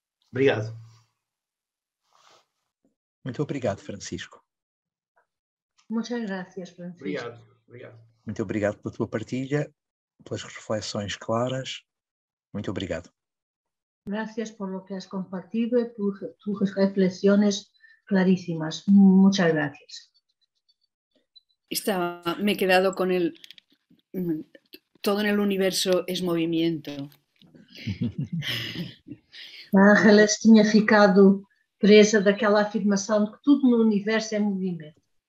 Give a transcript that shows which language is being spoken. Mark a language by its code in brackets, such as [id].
[pt] Obrigado. Muito obrigado, Francisco. [es] Muchas gracias, Francisco. [pt] Obrigado, obrigado. Muito obrigado pela tua partilha, pelas reflexões claras. Muito obrigado. [es] Gracias por lo que has compartido y tus reflexiones clarísimas. Muchas gracias. Me he quedado con el. Todo en el universo es movimiento. [pt] Ángeles tinha ficado presa daquela afirmação de que tudo no universo é movimento.